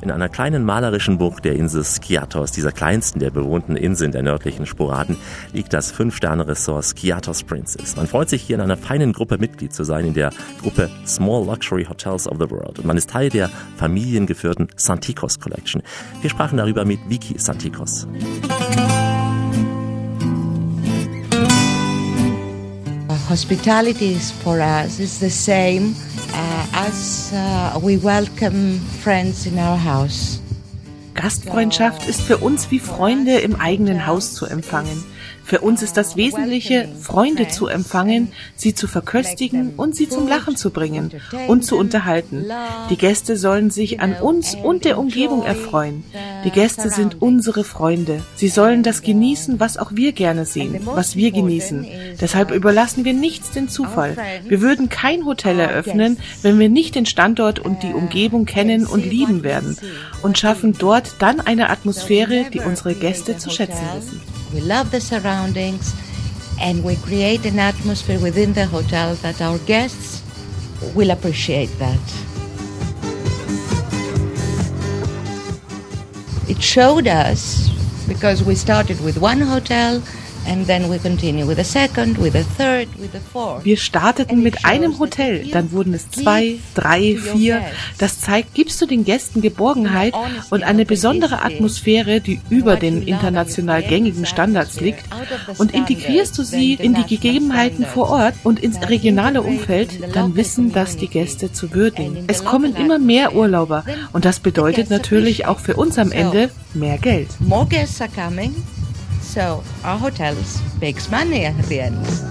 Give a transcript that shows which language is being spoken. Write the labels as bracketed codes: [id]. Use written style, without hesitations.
[de] In einer kleinen malerischen Bucht der Insel Skiathos, dieser kleinsten der bewohnten Inseln der nördlichen Sporaden, liegt das 5-Sterne-Resort Skiathos Princess. Man freut sich hier in einer feinen Gruppe Mitglied zu sein, in der Gruppe Small Luxury Hotels of the World. Und man ist Teil der familiengeführten Santikos Collection. Wir sprachen darüber mit Vicky Santikos. [en] Hospitality is for us is the same as we welcome friends in our house. [de] Gastfreundschaft ist für uns wie Freunde im eigenen Haus zu empfangen. Für uns ist das Wesentliche, Freunde zu empfangen, sie zu verköstigen und sie zum Lachen zu bringen und zu unterhalten. Die Gäste sollen sich an uns und der Umgebung erfreuen. Die Gäste sind unsere Freunde. Sie sollen das genießen, was auch wir gerne sehen, was wir genießen. Deshalb überlassen wir nichts dem Zufall. Wir würden kein Hotel eröffnen, wenn wir nicht den Standort und die Umgebung kennen und lieben werden und schaffen dort dann eine Atmosphäre, die unsere Gäste zu schätzen wissen. [en] We love the surroundings and we create an atmosphere within the hotel that our guests will appreciate that. It showed us, because we started with one hotel and then we continue with a second, with a third, with a fourth. [de] Wir starteten mit einem Hotel, dann wurden es 2, 3, 4. Das zeigt, gibst du den Gästen Geborgenheit und eine besondere Atmosphäre, die über den international gängigen Standards liegt, und integrierst du sie in die Gegebenheiten vor Ort und ins regionale Umfeld, dann wissen das die Gäste zu würdigen. Es kommen immer mehr Urlauber und das bedeutet natürlich auch für uns am Ende mehr Geld. [en] More guests are coming. So our hotels makes money at the end.